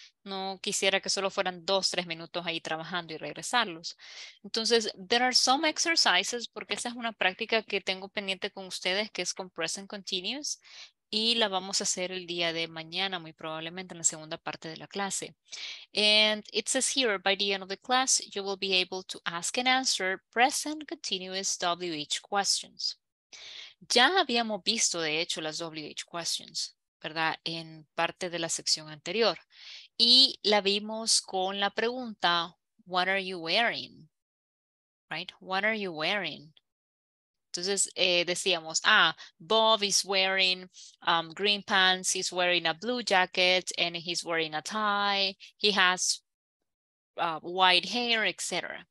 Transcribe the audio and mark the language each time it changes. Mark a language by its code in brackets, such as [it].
[es] No quisiera que solo fueran 2-3 minutos ahí trabajando y regresarlos. Entonces, [en] there are some exercises, [es] porque esa es una práctica que tengo pendiente con ustedes, que es con present continuous, y la vamos a hacer el día de mañana, muy probablemente en la segunda parte de la clase. [en] And it says here, by the end of the class, you will be able to ask and answer present continuous WH questions. [es] Ya habíamos visto, de hecho, las WH questions, ¿verdad? En parte de la sección anterior. Y la vimos con la pregunta, [en] what are you wearing? Right? What are you wearing? [es] Entonces decíamos, [en] Bob is wearing green pants, he's wearing a blue jacket, and he's wearing a tie, he has white hair, etc.